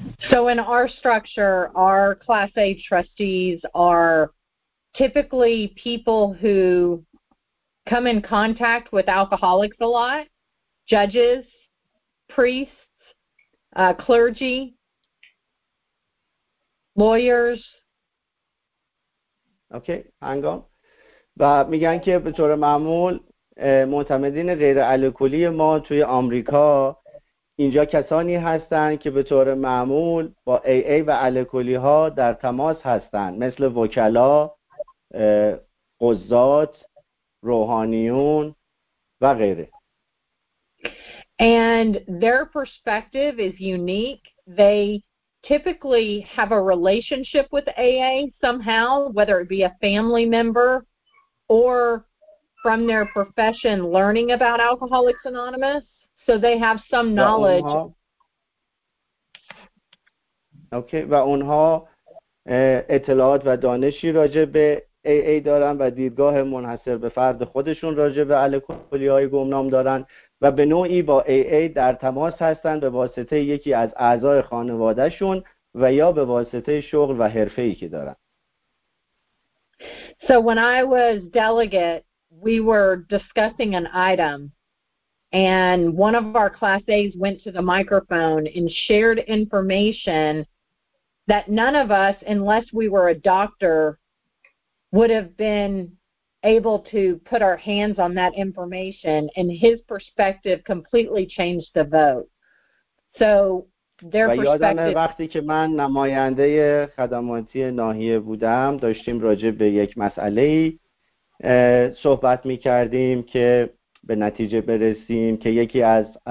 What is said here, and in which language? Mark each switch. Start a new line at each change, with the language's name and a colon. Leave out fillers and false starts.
English: So in our structure, our Class A trustees are typically people who come in contact with alcoholics a lot, judges, priests, clergy, lawyers. Okay هنگ اون
Persian: و میگن که به طور معمول معتمدین غیر الکلی ما توی آمریکا اینجا کسانی هستند که به طور معمول با AA و الکلی ها در تماس هستند، مثل وکلا، قضات، روحانیون و غیره.
English: And their perspective is unique. They typically have a relationship with AA somehow, whether it be a family member or from their profession learning about Alcoholics Anonymous, so they have some knowledge.
Persian: Okay, و اونها اطلاعات و دانشی راجع به AA دارن و دیدگاه منحصر به فرد خودشون راجع به الکلی‌های گمنام دارن و به نوعی با AA در تماس هستند به واسطه یکی از اعضای خانوادهشون و یا به واسطه شغل و حرفه‌ای که دارن.
English: So when I was delegate, we were discussing an item and one of our class A's went to the microphone and shared information that none of us, unless we were a doctor, would have been able to put our hands on that information, and his perspective completely changed the vote. So their perspective.
Persian: و یادمه وقتی که من نماینده خدماتی ناحیه بودم، داشتیم راجع به یک مسئله صحبت می‌کردیم که به نتیجه برسیم که یکی از